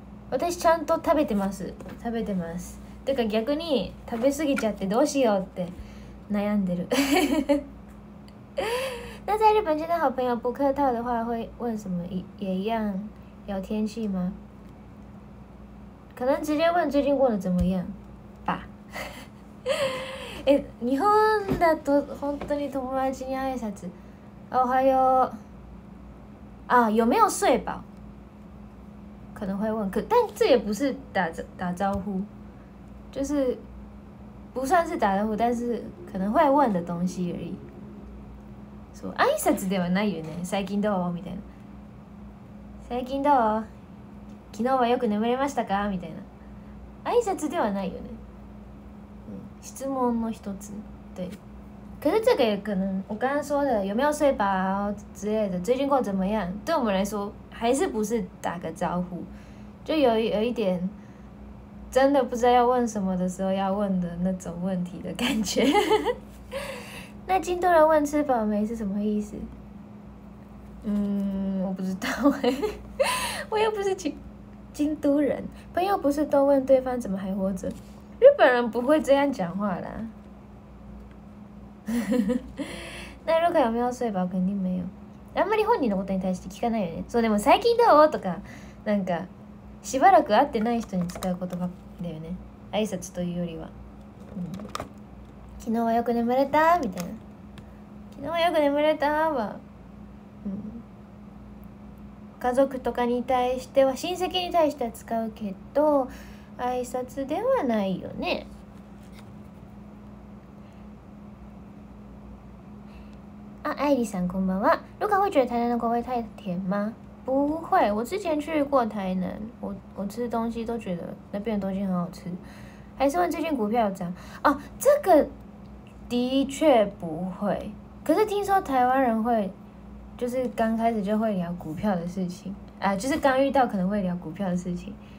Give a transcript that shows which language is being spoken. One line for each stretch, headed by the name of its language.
Japanese: 私ちゃんと食べてます。食べてます。てか逆に食べ過ぎちゃってどうしようって悩んでる。
Chinese: 那在日本见到好朋友不客套的话会问什么，也一样聊天气吗？可能直接问最近过得怎么样吧。
Japanese: 日本だと本当に友達に挨拶、おはよう、あ、
Chinese: 有没有睡饱，可能会问。可但这也不是打招呼，就是不算是打招呼，但是可能会问的东西而已。
Japanese: そう、挨拶ではないよね。最近どうみたいな。最近どう、昨日はよく眠れましたかみたいな。挨拶ではないよね。うん、質問の一つ。
Chinese: で、可是这个可能我刚刚说的有没有睡饱之类的，最近过怎么样？对我们来说还是不是打个招呼，就有一点真的不知道要问什么的时候要问的那种问题的感觉。那京都人问吃饱没是什么意思？嗯，我不知道哎，我又不是京都人，朋友不是都问对方怎么还活着？日本人不会这样讲话啦。那如果有没有睡饱，肯定没有。
Japanese: あんまり本人のことに対して聞かないよね。そう、でも最近どうとか、なんかしばらく会ってない人に使う言葉だよね。挨拶というよりは。昨日はよく眠れたみたいな。昨日はよく眠れたは、家族とかに対しては、親戚に対しては使うけど、挨拶ではないよね。あ、アイリーさんこんばんは。
Chinese: 如果会觉得台南的口味太甜吗？不会，我之前去过台南，我吃东西都觉得那边的东西很好吃。还是问最近股票涨？哦，这个。的确不会，可是听说台湾人会，就是刚开始就会聊股票的事情，就是刚遇到可能会聊股票的事情。